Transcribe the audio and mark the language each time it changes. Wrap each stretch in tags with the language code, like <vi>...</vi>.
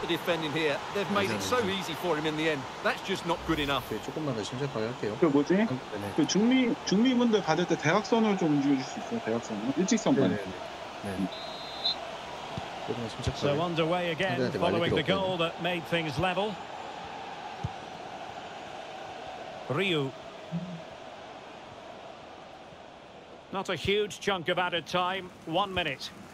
<en>They've made it so easy for him in the end. That's just not good enough.</en> <ko>조금만 더 신중하게 할게요. 그 뭐지? 그 중립분들 받을 때 대각선을 좀 움직여 줄 수 있어요? 대각선. 일직선 말이에요. 네. 조금만 신중하게.</ko> <en>So underway again, following the goal that made things level. Ryu. Not a huge chunk of added time. 1 minute.</en>